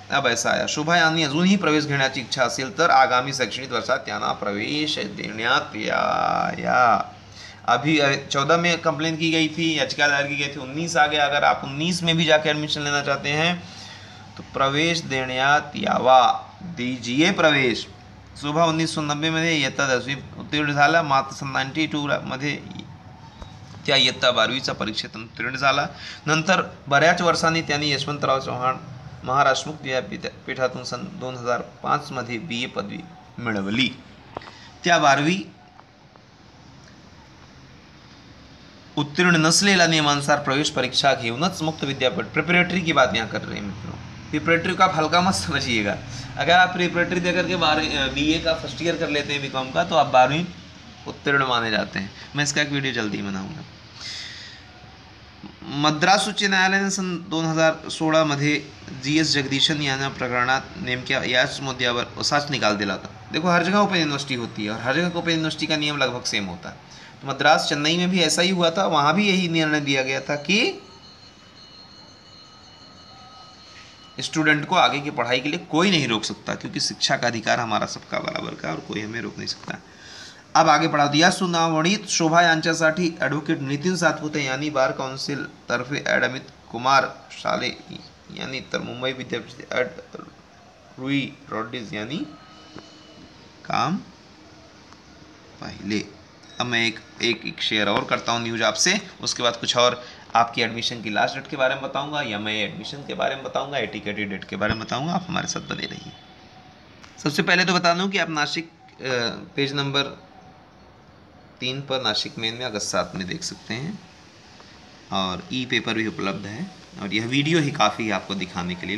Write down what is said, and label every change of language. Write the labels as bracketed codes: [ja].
[hi] अब ऐसा आया, [mr] शोभा यांनी अजूनही प्रवेश घेण्याची इच्छा असेल तर आगामी शैक्षणिक वर्षात त्यांना प्रवेश देण्यात या। [hi] अभी 14 में कंप्लेन की गई थी, याचिका दायर की गई थी, 19 आ गया। अगर आप 19 में भी जाके एडमिशन लेना चाहते हैं तो [mr] प्रवेश देण्यात यावा, [hi] दीजिए प्रवेश। [mr] शोभा 1990 इयत्ता 10वी उत्तीर्ण झाला, मात्र 92 त्या इयत्ता 12वीचा परीक्षेत उत्तीर्ण झाला। नंतर बऱ्याच वर्षांनी त्यांनी यशवंतराव चव्हाण महाराष्ट्र मुक्त विद्यापीठातून 2005 BA पदवी मिळवली। त्या 12वी उत्तीर्ण नसलेल्या नियमानुसार प्रवेश परीक्षा घेऊनच मुक्त विद्यापीठ, [hi] प्रिपरेटरी की बात यहाँ कर रहे हैं मित्रों, प्रिपरेटरी का हल्का मत समझिएगा। अगर आप प्रिपरेटरी देकर के 12वीं BA का फर्स्ट ईयर कर लेते हैं BCom का, तो आप 12वीं उत्तीर्ण माने जाते हैं। मैं इसका एक वीडियो जल्दी ही बनाऊंगा। [mr] मद्रास उच्च न्यायालय ने 2016 GS जगदीशन यांना प्रकरणात नेमक्या याच मुद्द्यावर असाच निकाल दिला होता। [hi] देखो, हर जगह ओपन यूनिवर्सिटी होती है और हर जगह ओपन यूनिवर्सिटी का नियम लगभग सेम होता है। तो मद्रास चेन्नई में भी ऐसा ही हुआ था, वहां भी यही निर्णय दिया गया था कि स्टूडेंट को आगे की पढ़ाई के लिए कोई नहीं रोक सकता, क्योंकि शिक्षा का अधिकार हमारा सबका बराबर का, और कोई हमें रोक नहीं सकता। अब आगे पढ़ा दिया, [mr] सुनावणीत शोभा यांच्यासाठी ॲडव्होकेट नितीन सातपुते यांनी बार काउन्सिल तर्फे ॲडमित कुमार शाले यांनी, तर मुंबई विद्यापीठ ॲड रुई रॉड्रिग्ज यांनी काम पाहिले। [hi] अब मैं एक शेयर और करता हूँ न्यूज आपसे, उसके बाद कुछ और आपकी एडमिशन की लास्ट डेट के बारे में बताऊंगा, या मैं एडमिशन के बारे में बताऊंगा, एटीकेटी डेट के बारे में बताऊंगा, आप हमारे साथ बने रहिए। सबसे पहले तो बता दूं कि आप नासिक पेज नंबर 3 पर नासिक मेन में अगस्त 7 देख सकते हैं, और ई पेपर भी उपलब्ध है, और यह वीडियो ही काफ़ी है आपको दिखाने के लिए।